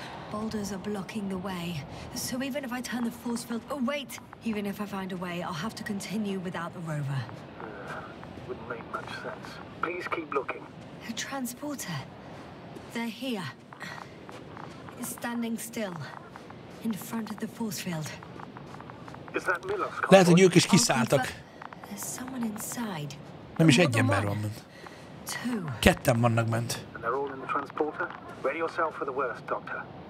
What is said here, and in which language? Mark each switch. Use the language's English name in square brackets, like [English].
[English] Boulders are blocking the way. So even if I turn the force field... Oh, wait! Even if I find a way, I'll have to continue without the rover. Wouldn't make much sense. Please keep looking. A transporter. They're here. It's standing still. In front of the force field. Is that Milos? [Hungarian] Lehet, hogy ők is kiszálltak. [English] There's someone inside. [Hungarian] Nem is egy ember van bent. [English] Two. [Hungarian] Ketten vannak bent. [English] And they're all in the transporter? Ready yourself for the worst, Doctor.